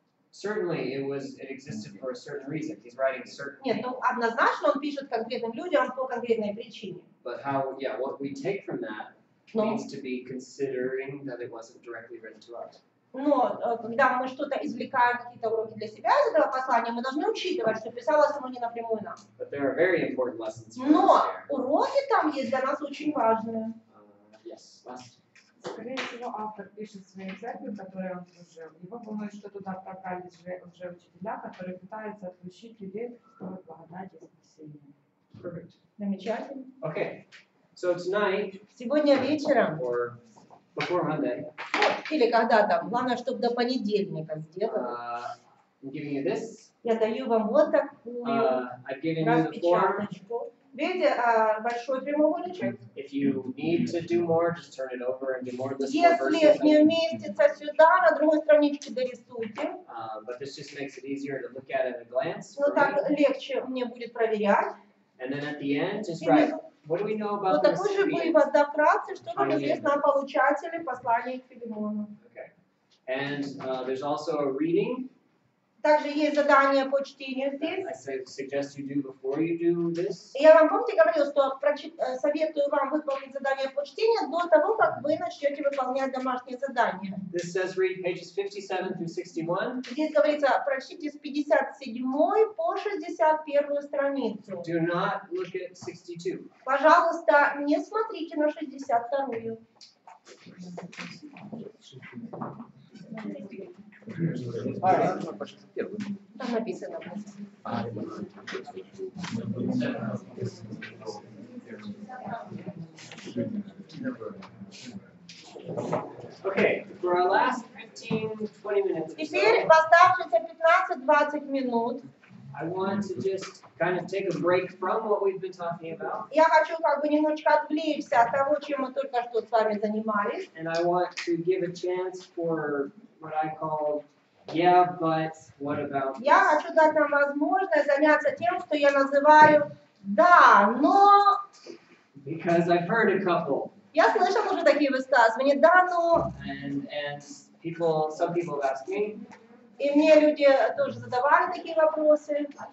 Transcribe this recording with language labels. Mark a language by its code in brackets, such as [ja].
[en] Certainly, it existed for a certain reason. He's writing certain. [ru] Нет, ну однозначно он пишет конкретным людям по конкретной причине. [en] But how? Yeah, what we take from that needs to be considering that it wasn't directly written to us. [ru] Но когда мы что-то извлекаем, какие-то уроки для себя из этого послания, мы должны учитывать, что писалось оно не напрямую нам. [en] But there are very important lessons [ru] Но уроки там есть для нас очень важные. [en] Yes. [ru] Скорее всего, автор пишет свою церковь, которую он служил. Его думают, что туда отправлялись уже учителя, которые пытаются отключить людей от Христовой благодати и спасения. Замечательно. [en] Okay. So tonight, [ru] сегодня вечером, [en] or before Monday, [ru] или когда там, главное, чтобы до понедельника сделали. [en] I'm giving you this. [ru] Я даю вам вот такую распечаточку. Видите, большой прямоугольничек. [en] If you need to do more, just turn it over and do more. [ru] Если не вместится сюда, на другой страничке дорисуйте. [en] But this just makes it easier to look at it at a glance. [ru] Ну так легче мне будет проверять. [en] And then at the end, just write. What do we know about the recipient? [ru] Вот такой же вывод, да, вкратце, что нам известно о получателе послания к Филимону. [en] Okay. And there's also a reading. [ru] Также есть задание по чтению здесь. [en] I suggest you do before you do this. [ru] Я вам помните говорил, что советую вам выполнить задание по чтению до того, как вы начнете выполнять домашнее задание. [en] This says read pages 57 through 61. [ru] Здесь говорится, прочтите с 57 по 61 страницу. [en] Do not look at 62. [ru] Пожалуйста, не смотрите на 62. Там написано. [en] Okay, for our last 15-20 minutes. [ru] Теперь в оставшиеся 15-20 минут. [en] I want to just kind of take a break from what we've been talking about. [ru] Я хочу как бы немножечко отвлечься от того, чем мы только что с вами занимались. [en] And I want to give a chance for what I call yeah, but what about this? [ru] Я хочу дать нам возможность заняться тем, что я называю да, но. [en] Because I've heard a couple. [ru] Я слышал уже такие высказывания. Да, но. [en] And people, some people have asked me. [ru] И мне люди тоже задавали такие вопросы.